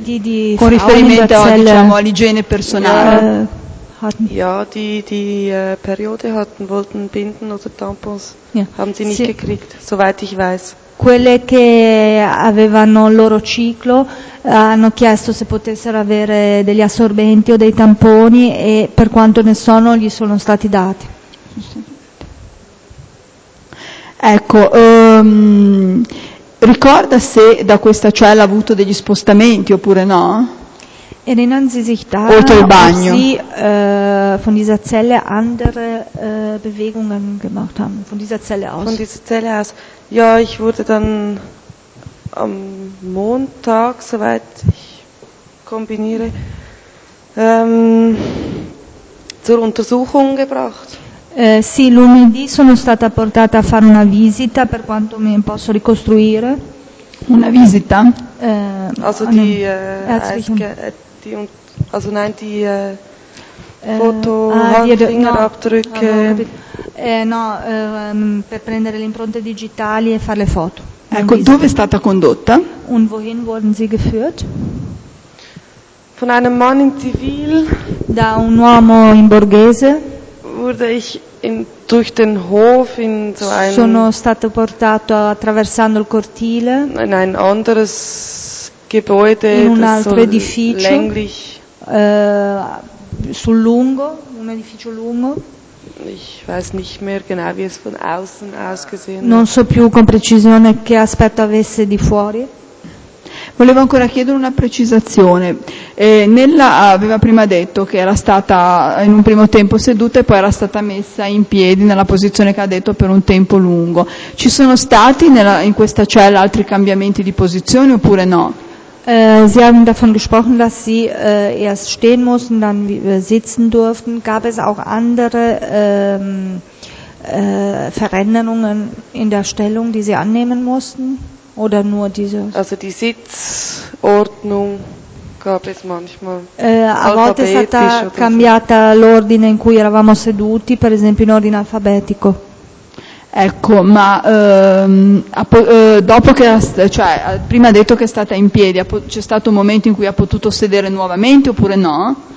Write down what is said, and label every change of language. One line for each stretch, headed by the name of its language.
Italian: Di con riferimento zelle, diciamo, all'igiene personale.
German: Ja, die Periode hatten, wollten binden oder tampons, ja. Haben sie nicht sì. Gekriegt, soweit ich weiß.
Italian: Quelle che avevano il loro ciclo hanno chiesto se potessero avere degli assorbenti o dei tamponi e per quanto ne so non gli sono stati dati. Ecco, ricorda se da questa cella ha avuto degli spostamenti oppure no?
German: Erinnern Sie sich daran,
Italian: oltre il bagno.
German: Ob Sie von dieser Zelle andere Bewegungen gemacht haben, von dieser Zelle aus? Von dieser Zelle aus. Ja, ich wurde dann am Montag, soweit ich kombiniere, zur Untersuchung gebracht.
Italian: Sì, lunedì sono stata portata a fare una visita, per quanto mi posso ricostruire. Una visita?
German: Also die ärztliche... also nein, die Foto, Handfingerabdrücke.
Italian: Per prendere le impronte digitali e fare le foto. Ecco, dove è stata condotta?
German: Und wohin wurden Sie geführt? Von einem Mann in Zivil.
Italian: Da un uomo in borghese.
German: Wurde ich in, durch den Hof in so ein...
Italian: Sono stato portato attraversando il cortile.
German: In ein anderes... Gebäude,
Italian: in un altro
German: so
Italian: edificio
German: länglich,
Italian: sul lungo, un edificio lungo.
German: Ich weiß nicht mehr genau, wie es von außen ausgesehen.
Italian: Non so più con precisione che aspetto avesse di fuori. Volevo ancora chiedere una precisazione. Nella aveva prima detto che era stata in un primo tempo seduta e poi era stata messa in piedi nella posizione che ha detto per un tempo lungo. Ci sono stati in questa cella altri cambiamenti di posizione oppure no?
German: Sie haben davon gesprochen, dass Sie erst stehen mussten, dann sitzen durften. Gab es auch andere Veränderungen in der Stellung, die Sie annehmen mussten? Oder nur diese? Also die Sitzordnung gab es manchmal.
Italian: A volte è stata cambiata l'ordine in cui eravamo seduti, per esempio in ordine alfabetico. Ecco, ma dopo che, cioè, prima ha detto che è stata in piedi, c'è stato un momento in cui ha potuto sedere nuovamente oppure no?